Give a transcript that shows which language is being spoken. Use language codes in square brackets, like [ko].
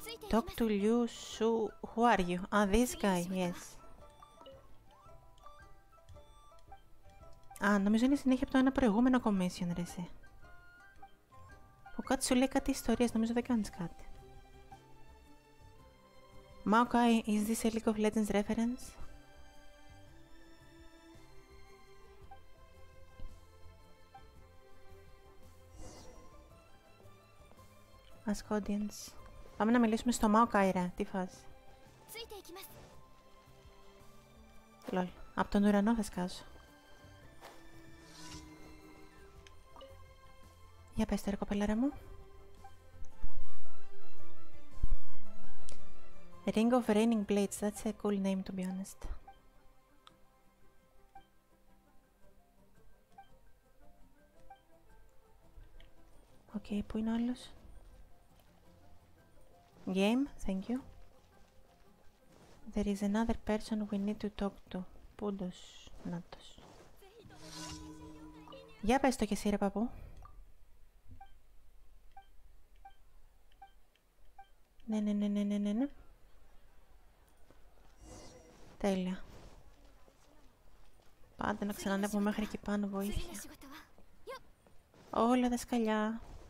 [en] Talk to Liu Shu. Who are you? Ah, this guy, yes. [el] Α, νομίζω είναι συνέχεια από το ένα προηγούμενο commission, ρε εσύ. Που κάτι σου λέει κάτι ιστορίες, νομίζω δεν κάνεις κάτι. [en] Maokai, is this a League of Legends reference? Ask audience. [el] Πάμε να μιλήσουμε στο Maokai, ρε. Τι φάση. Λολ. Απ' τον ουρανό θα σκάσω. Για πες τώρα, κοπελάρα μου. [en] Ring of Raining Blades. That's a cool name, to be honest. [el] Οκ, okay, πού είναι ο άλλος? [en] Game, thank you. There is another person we need to talk to. [el] Πούντος, νάτος. Για πες το και εσύ ρε παππού. Ναι. Τέλεια. Πάντα να ξανανεύω μέχρι εκεί πάνω, βοήθεια. Όλα τα σκαλιά.